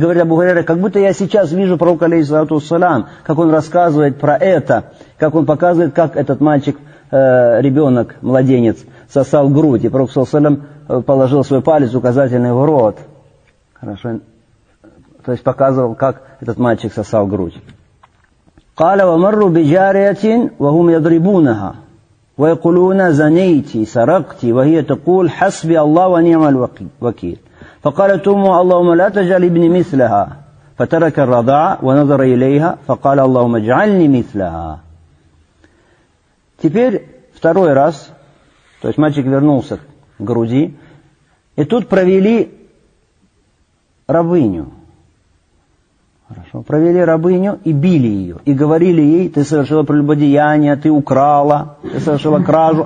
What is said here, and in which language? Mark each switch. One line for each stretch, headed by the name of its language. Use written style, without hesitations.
Russian: И говорит Абу Гурейра, как будто я сейчас вижу пророка, алейхиссалату вассалям, как он рассказывает про это, как он показывает, как этот мальчик, ребенок, младенец, сосал грудь. И пророк, алейхиссалам, положил свой палец указательный в рот. Хорошо. То есть показывал, как этот мальчик сосал грудь.
Arabic: قال ومر بجارية وهم يضربونها ويقولون زنيتي سرقتي وهي تقول حسبي الله ونعم الوكيل. فقالت أمه اللهم لا تجعل ابني مثلها. فترك الرضاع ونظر إليها فقال اللهم اجعلني مثلها.
Russian: Теперь второй раз, то есть мальчик вернулся к груди, и тут провели рабыню. Хорошо. Провели рабыню и били ее. И говорили ей, ты совершила прелюбодеяние, ты украла, ты совершила кражу.